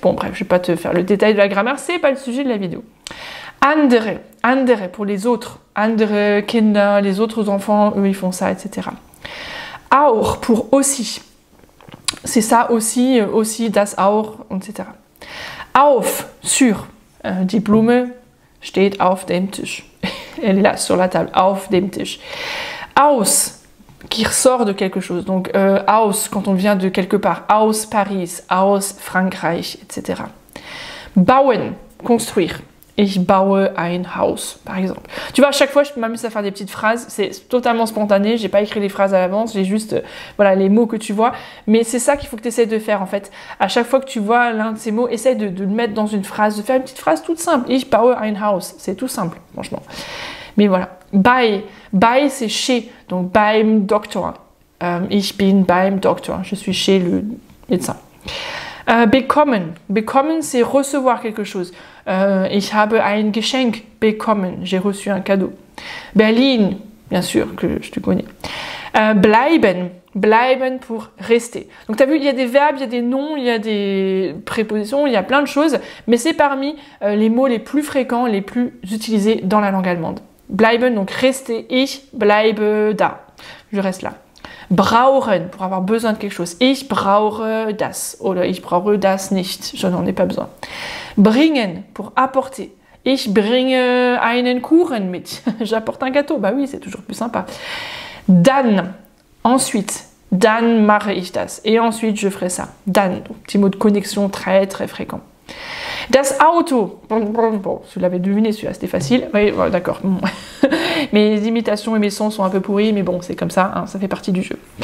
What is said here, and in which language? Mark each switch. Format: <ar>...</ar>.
<fr>Bon, bref, je ne vais pas te faire le détail de la grammaire, ce n'est pas le sujet de la vidéo. Andere, andere, pour les autres. Andere, Kinder, les autres enfants, eux ils font ça, etc. Auch, pour aussi. C'est ça aussi, aussi, das auch, etc. Auf, sur.</fr> <de>Die Blume steht auf dem Tisch.</de> <fr>Elle est là, sur la table.</fr> <de>Auf dem Tisch.</de> <fr>Aus, qui ressort de quelque chose. Donc, aus, quand on vient de quelque part. Aus Paris, aus Frankreich, etc. Bauen, construire.</fr> <de>Ich baue ein Haus, par exemple.</de> <fr>Tu vois, à chaque fois, je m'amuse à faire des petites phrases. C'est totalement spontané. Je n'ai pas écrit les phrases à l'avance. J'ai juste voilà, les mots que tu vois. Mais c'est ça qu'il faut que tu essaies de faire, en fait. À chaque fois que tu vois l'un de ces mots, essaie de le mettre dans une phrase, de faire une petite phrase toute simple.</fr> <de>Ich baue ein Haus.</de> <fr>C'est tout simple, franchement. Mais voilà. Bei. Bei, c'est chez. Donc, beim Doktor.</fr> <de>Ich bin beim Doktor.</de> <fr>Je suis chez le médecin. Bekommen. Bekommen, c'est recevoir quelque chose.</fr> <de>Ich habe ein Geschenk bekommen.</de> <fr>J'ai reçu un cadeau. Berlin, bien sûr, que je te connais. Bleiben. Bleiben pour rester. Donc, tu as vu, il y a des verbes, il y a des noms, il y a des prépositions, il y a plein de choses. Mais c'est parmi les mots les plus fréquents, les plus utilisés dans la langue allemande. Bleiben, donc rester.</fr> <de>Ich bleibe da.</de> <fr>Je reste là. Brauchen, pour avoir besoin de quelque chose.</fr> <de>Ich brauche das. Oder ich brauche das nicht.</de> <fr>Je n'en ai pas besoin. Bringen, pour apporter.</fr> <de>Ich bringe einen Kuchen mit.</de> <fr>J'apporte un gâteau. Bah oui, c'est toujours plus sympa. Dann, ensuite.</fr> <de>Dann mache ich das.</de> <fr>Et ensuite, je ferai ça. Dann, donc, petit mot de connexion très très fréquent. Das Auto. Bon, vous l'avez deviné, celui-là, c'était facile. Oui, bon, d'accord. Bon. Mes imitations et mes sons sont un peu pourris, mais bon, c'est comme ça, hein, ça fait partie du jeu.</fr>